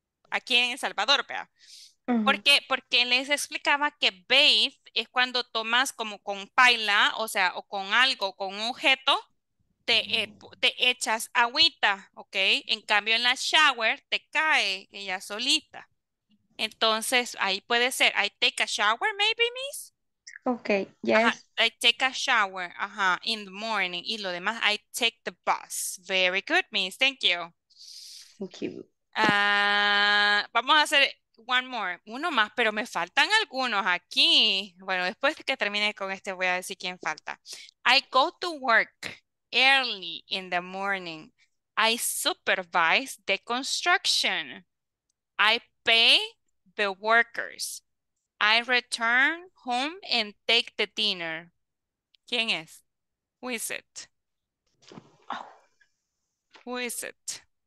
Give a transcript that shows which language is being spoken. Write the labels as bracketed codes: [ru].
[es] Aquí en El Salvador, ¿verdad? Uh-huh. Porque les explicaba que bathe es cuando tomas como con paila, o sea, o con algo, con un objeto, te echas agüita, ¿ok? En cambio, en la shower te cae ella solita. Entonces, ahí puede ser, [en] I take a shower maybe, miss. Okay, yes. Ajá. I take a shower, ajá, in the morning. [es] Y lo demás, [en] I take the bus. Very good, miss. Thank you. Thank you. [es] Vamos a hacer [en] one more. [es] Uno más, pero me faltan algunos aquí. Bueno, después de que termine con este, voy a decir quién falta. [en] I go to work early in the morning. I supervise the construction. I pay the workers. I return home and take the dinner. [es] ¿Quién es? [en] Who is it? Who is it?